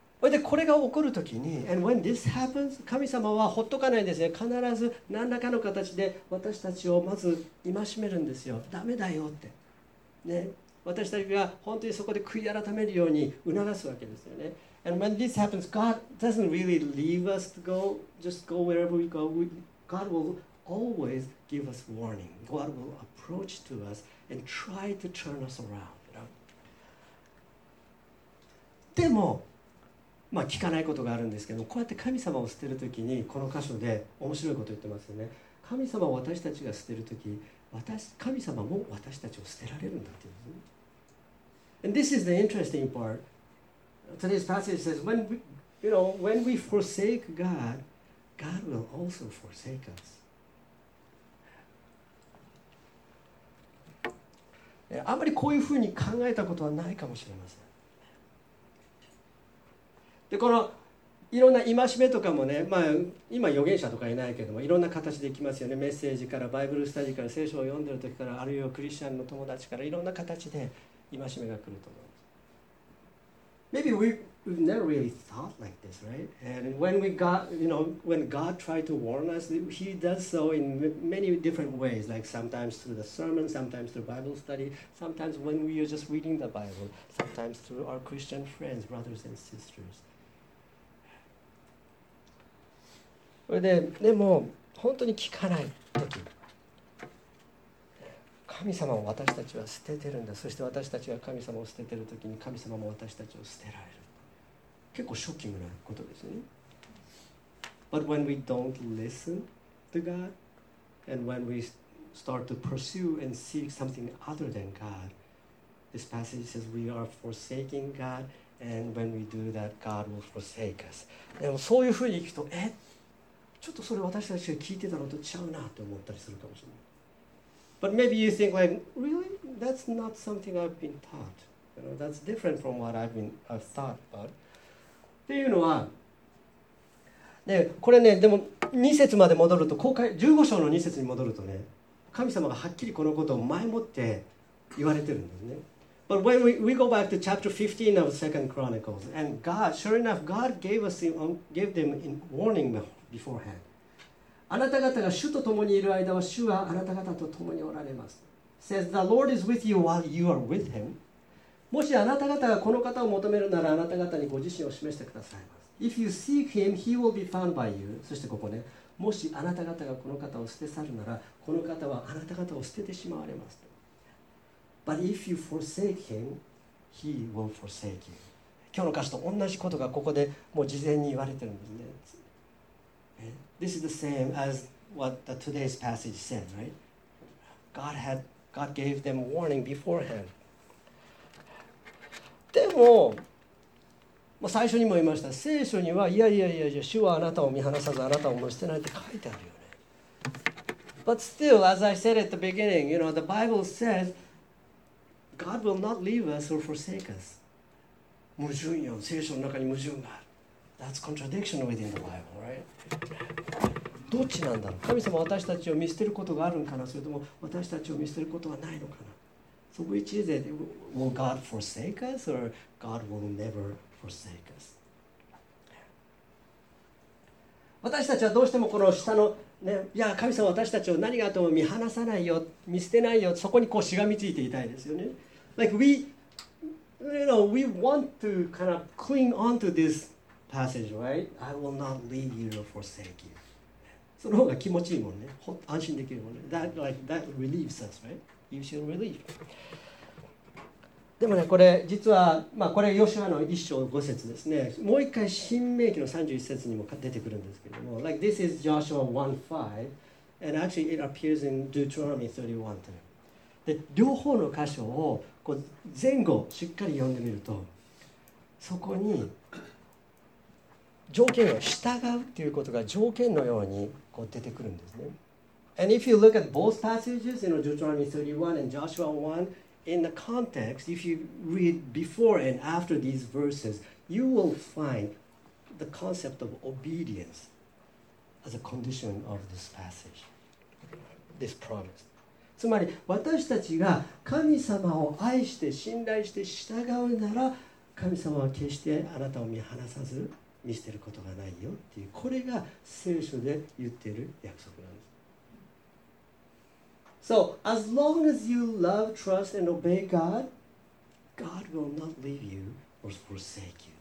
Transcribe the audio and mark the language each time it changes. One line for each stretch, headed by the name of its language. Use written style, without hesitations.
Japanese: でこれが起こるときに、
English: And when this happens,
Japanese: 神様はほっとかないんですね。必ず何らかの形で私たちをまず戒めるんですよ。ダメだよって、ね、私たちが本当にそこで悔い改めるように促すわけですよね。
English: And when this happens, God doesn't really leave us to go, just go wherever we go. God will always give us warning. God will approach to us and try to turn us around, you know?
Japanese: でもまあ、聞かないことがあるんですけど、こうやって神様を捨てるときにこの箇所で面白いことを言ってますよね。神様を私たちが捨てるとき、神様も私たちを捨てられるんだっていうんですね。
English: And this is the interesting part. Today's passage says, when we forsake God, God will also forsake us.
Japanese: あんまりこういうふうに考えたことはないかもしれません。でこのいろんな戒めとかもね、まあ、今預言者とかいないけどもいろんな形で来ますよね。メッセージからバイブルスタジーから聖書を読んでる時からあるいはクリスチャンの友達からいろんな形で戒めが来ると思います。
English: Maybe we've never really thought like this, right? And when we got, you know, when God tried to warn us, He does so in many different ways, like sometimes through the sermon, sometimes through Bible study, sometimes when we are just reading the Bible, sometimes through our Christian friends, brothers and sisters.
Japanese: でも本当に聞かない時、神様を私たちは捨ててるんだ。そして私たちが神様を捨ててる時に神様も私たちを捨てられる。結構ショッキングなことですね。
English: But when we don't listen to God, and when we start to pursue and seek something other than God, this passage says we are forsaking God, and when we do that, God will forsake us.
Japanese: でもそういうふうに聞くと、ちょっとそれ私たちが聞いてたのと違うなって思ったりするかもしれない。
English: But maybe you think like, really? That's not something I've been taught. You know, that's different from what I've thought about.
Japanese: っていうのは、ね、これね、でも2節まで戻ると、公開15章の2節に戻るとね、神様がはっきりこのことを前もって言われてるんですね。
English: But when we go back to chapter 15 of 2 Chronicles, and God, sure enough, God gave them a warning beforehand.
Japanese: あなた方が主と共にいる間は主はあなた方と共におられます。
English: Says the Lord is with you while you are with him.
Japanese: もしあなた方がこの方を求めるならあなた方にご自身を示してくださいます。
English: If you seek him, he will be found by you.
Japanese: そしてここね、もしあなた方がこの方を捨て去るならこの方はあなた方を捨ててしまわれます。
English: But if you forsake him, he will forsake you.
Japanese: 今日の歌詞と同じことがここでもう事前に言われてるんですね。
English: This is the same as what the today's passage said, right? God gave them warning beforehand.
Japanese: でも、まあ、最初にも言いました。聖書にはいやいやいや、主はあなたを見放さず、あなたを見捨てないって書いてあるよね。
English: But still, as I said at the beginning, you know, the Bible says God will not leave us or forsake us.
Japanese: 矛盾よ。聖書の中に矛盾がある。
English: That's contradiction within the Bible, right?
Japanese: どっちなんだろう。神様は私たちを見捨てることがあるのかな、それとも私たちを見捨てることはないのかな。
English: So which is it? Will God forsake us or God will never forsake us?
Japanese: 私たちはどうしてもこの下のね、いや神様は私たちを何があっても見放さないよ、見捨てないよ、そこにこうしがみついていたいですよね。
English: Like we, you know, we want to kind of cling on to this passage, right? I will not leave you or forsake you.
Japanese: その方が気持ちいいもんね、安心できるもんね。
English: That like that relieves us, right? You feel relief.
Japanese: でもね、これ実はまあこれヨシュアの一章五節ですね。もう一回新明記の三十一節にも出てくるんですけども、
English: like this is Joshua 1:5, and actually it appears in Deuteronomy 31 too.
Japanese: で両方の箇所をこう前後しっかり読んでみると、そこに条件を従うっていうことが条件のようにこう出てくるんですね。
English: And if you look at both passages, you know, Deuteronomy 31 and Joshua 1, in the context, if you read before and after these verses, you will find the concept of obedience as a condition of this passage, this promise.
Japanese: つまり私たちが神様を愛して信頼して従うなら、神様は決してあなたを見放さず見捨てることがないよっていう、これが聖書で言っている約束なんです。
English: So as long as you love, trust, and obey God, God will not leave you or forsake you.